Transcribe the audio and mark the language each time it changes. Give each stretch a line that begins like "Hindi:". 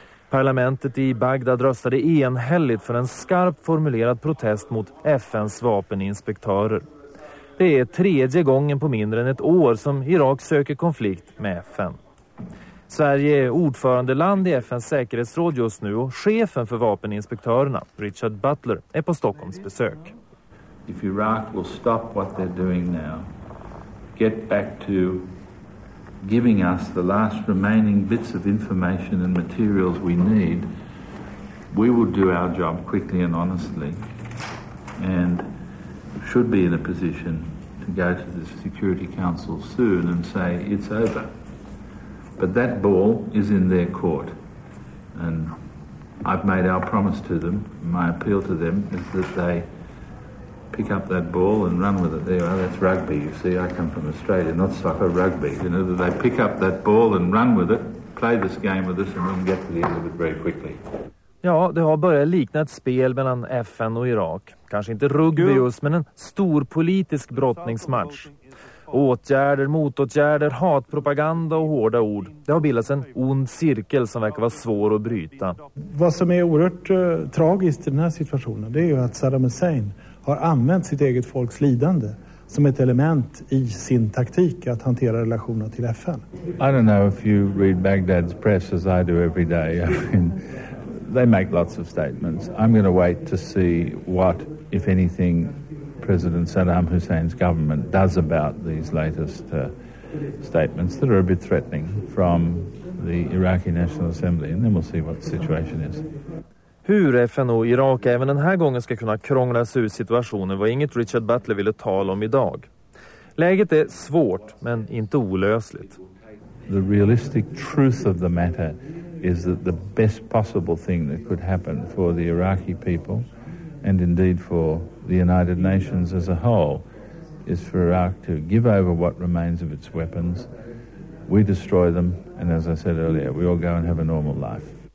Swedish: Parlamentet i Bagdad röstade enhälligt för en skarpt formulerad protest mot FNs vapeninspektörer. Det är tredje gången på mindre än ett år som Irak söker konflikt med FN. Sverige är ordförandeland i FNs säkerhetsråd just nu och chefen för vapeninspektörerna, Richard Butler, är på Stockholms besök.
English: If Iraq will stop what they're doing now, get back to giving us the last remaining bits of information and materials we need, we will do our job quickly and honestly and should be in a position to go to the Security Council soon and say it's over. But that ball is in their court, and I've made our promise to them. My appeal to them is that they pick up that ball and run with it. There you are, that's rugby, you see. I come from Australia, not soccer, rugby. You know, that they pick up that ball and run with it, play this game with us, and we'll get to the end of it very quickly.
Swedish: Ja, det har börjat likna ett spel mellan FN och Irak. Kanske inte rugby just, men en stor politisk brottningsmatch. Åtgärder, motåtgärder, hatpropaganda och hårda ord. Det har bildats en ond cirkel som verkar vara svår att bryta. Vad som är oerhört tragiskt i den här situationen, det är ju att Saddam Hussein har använt sitt eget folks lidande som ett element i sin taktik att hantera relationerna till FN.
English: I don't know if you read Baghdad's press as I do every day. I mean, they make lots of statements. I'm going to wait to see what, if anything, President Saddam Hussein's government does about these latest statements that are a bit threatening from the Iraqi National Assembly, and then we'll see what the situation is.
Swedish: Hur FN och Irak även den här gången ska kunna krångla sig ur situationen var inget Richard Butler ville tala om idag. Läget är svårt, men inte olösligt.
English: The realistic truth of the matter is that the best possible thing that could happen for the Iraqi people and indeed for the United Nations as a whole is for Iraq to give over what remains of its weapons. We destroy them, and as I said earlier, we all go and have a normal life.